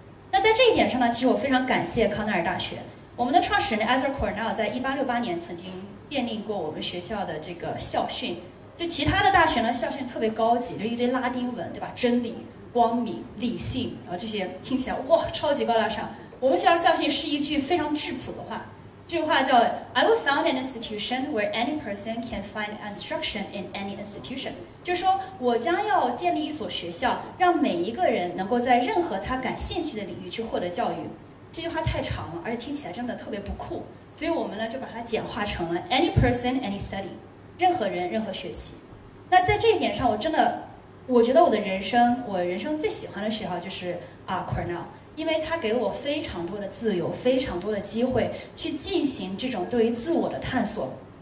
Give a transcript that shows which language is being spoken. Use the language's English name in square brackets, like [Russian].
[Chinese] 那在这一点上呢，其实我非常感谢康奈尔大学。我们的创始人 Ezra Cornell 在1868年曾经奠定过我们学校的这个校训。就其他的大学呢，校训特别高级，就一堆拉丁文，对吧？真理、光明、理性，然后这些听起来哇，超级高大上。我们学校校训是一句非常质朴的话，这句话叫 [English] I will found an institution where any person can find instruction in any institution。 [Chinese] 就是说，我将要建立一所学校，让每一个人能够在任何他感兴趣的领域去获得教育。这句话太长了，而且听起来真的特别不酷，所以我们呢就把它简化成了 [English] any person any study， [Chinese] 任何人任何学习。那在这一点上，我觉得我人生最喜欢的学校就是Cornell， 因为它给我非常多的自由，非常多的机会去进行这种对于自我的探索。